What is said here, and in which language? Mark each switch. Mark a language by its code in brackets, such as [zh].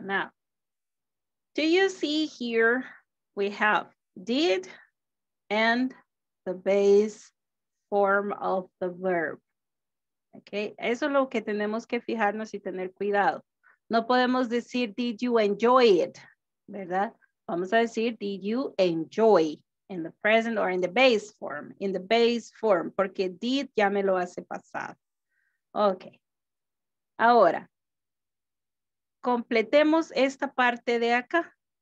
[en] Now, do you see here we have did and the base form of the verb? [es] Okay, eso es lo que tenemos que fijarnos y tener cuidado. No podemos decir, [en] did you enjoy it, [es] ¿verdad? Vamos a decir, [en] did you enjoy in the present or in the base form? In the base form, [es] porque did ya me lo hace pasado. Okay. Ahora, completemos esta parte de acá.